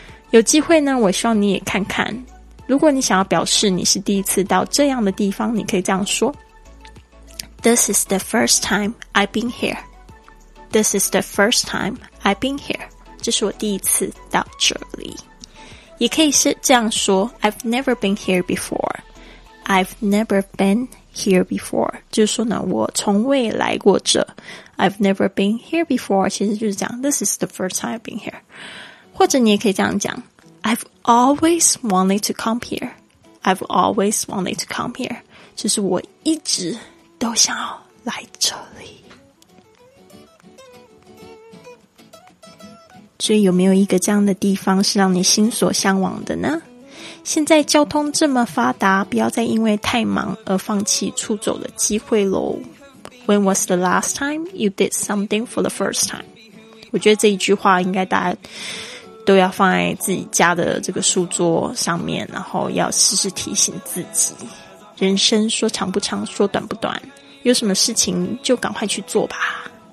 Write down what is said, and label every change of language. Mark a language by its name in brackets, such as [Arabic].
[Chinese] 有机会呢，我希望你也看看，如果你想要表示你是第一次到这样的地方，你可以这样说 [English] This is the first time I've been hereThis is the first time I've been here. [Chinese] 这是我第一次到这里。也可以是这样说 [English] I've never been here before. I've never been here before. [Chinese] 就是说呢，我从未来过这。 [English] I've never been here before. [Chinese] 其实就是讲 [English] This is the first time I've been here. [Chinese] 或者你也可以这样讲 [English] I've always wanted to come here. I've always wanted to come here. [Chinese] 就是我一直都想要来这里。所以有没有一个这样的地方是让你心所向往的呢？现在交通这么发达，不要再因为太忙而放弃出走的机会咯。 [English] When was the last time you did something for the first time? [Chinese] 我觉得这一句话应该大家都要放在自己家的这个书桌上面，然后要时时提醒自己，人生说长不长说短不短，有什么事情就赶快去做吧。